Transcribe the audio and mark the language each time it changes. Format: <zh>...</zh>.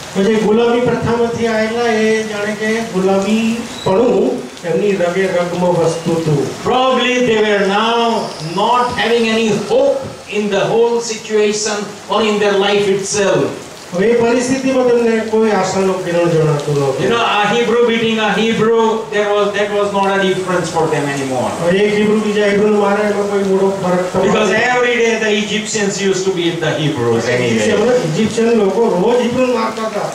<gu>જે ગુલામી પ્રથામાંથી આયેલા એ જાણે કે ગુલામી પણું એમની રગે રગમાં વસતું હતું.</gu> <en>Probably they were now not having any hope in the whole situation or in their life itself.</en> <gu>હવે પરિસ્થિતિમાં તમને કોઈ આશાનો કિરણ જણાતો ન હતો.</gu> <en>આ Hebrew beating આ Hebrew that was not a difference for them anymore.</en> <gu>હવે એક હિબ્રુ બીજા હિબ્રુ મારે એટલે કોઈ મોટો ફરક તો.</gu> <en>Because every day the Egyptians use to beat the Hebrews anyway.</en> <gu>Egyptian લોકો રોજ હિબ્રુ મારતા હતા.</gu>